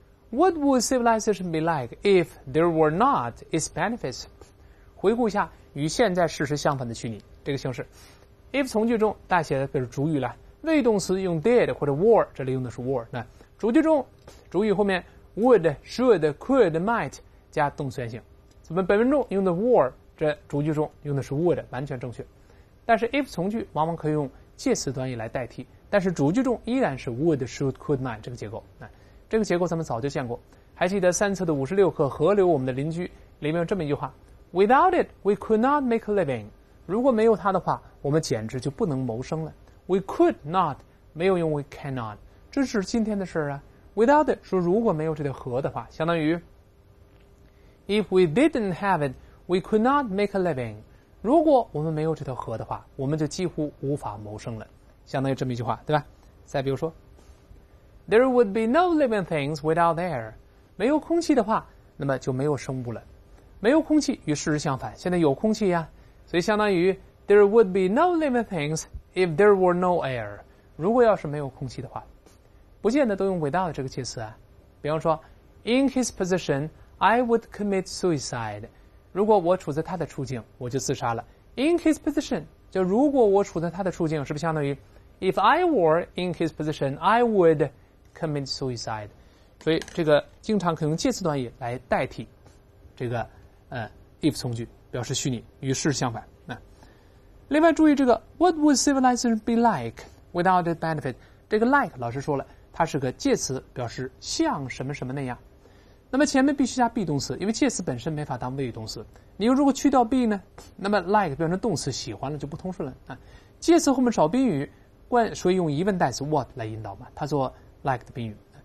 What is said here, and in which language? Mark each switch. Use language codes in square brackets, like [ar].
[en] What would civilization be like if there were not its benefits? [zh] 回顾一下与现在事实相反的虚拟这个形式。 If 从句中大写的就是主语了，谓语动词用 did 或者 were， 这里用的是 were。那主句中主语后面 would、should、could、might 加动词原形。怎么本文中用的 were， 这主句中用的是 would， 完全正确。但是 if 从句往往可以用介词短语来代替，但是主句中依然是 would、should、could、might 这个结构。这个结构咱们早就见过，还记得三册的56课《河流我们的邻居》里面有这么一句话 ： [en] Without it, we could not make a living。 [zh] 如果没有它的话，我们简直就不能谋生了。 [en] We could not [zh] 没有用 [en] we cannot， [zh] 这是今天的事啊。 [en] Without it [zh] 说如果没有这条河的话，相当于 [en] If we didn't have it, we could not make a living。 [zh] 如果我们没有这条河的话，我们就几乎无法谋生了，相当于这么一句话，对吧？再比如说。 [en] There would be no living things without air. [zh] 没有空气的话，那么就没有生物了。没有空气与事实相反，现在有空气呀，所以相当于 [en] There would be no living things if there were no air. [zh] 如果要是没有空气的话，不见得都用 without 这个介词啊。比方说 [en] In his position, I would commit suicide. [zh] 如果我处在他的处境，我就自杀了。 [en] In his position, [zh] 就如果我处在他的处境，是不是相当于 [en] If I were in his position, I wouldcommit suicide， [zh] 所以这个经常可以用介词短语来代替这个if 从句，表示虚拟与事实相反。另外注意这个 [en] What would civilization be like without the benefit？ [zh] 这个 like 老师说了，它是个介词，表示像什么什么那样。那么前面必须加 be 动词，因为介词本身没法当谓语动词。你如果去掉 be 呢，那么 like 变成动词，喜欢了就不通顺了。介词后面少宾语，所以用疑问代词 what 来引导嘛，它做like 的宾语。